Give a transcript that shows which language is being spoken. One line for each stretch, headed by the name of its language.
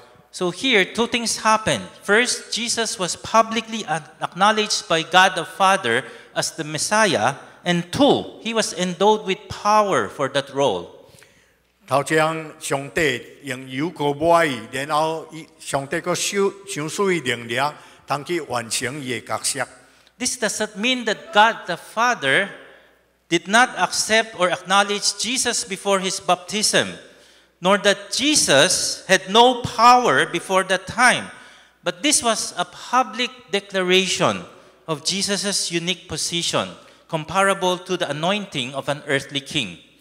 English: So here, two things happened. First, Jesus was publicly acknowledged by God the Father as the Messiah, and two, he was endowed with power for that role.
Min Nan Chinese: 头前上帝用油膏抹伊，然后上帝佫赏赐伊能力，通去完成伊的角色。
English: This does not mean that God the Father did not accept or acknowledge Jesus before his baptism, nor that Jesus had no power before that time. But this was a public declaration of Jesus' unique position, comparable to the anointing of an earthly king.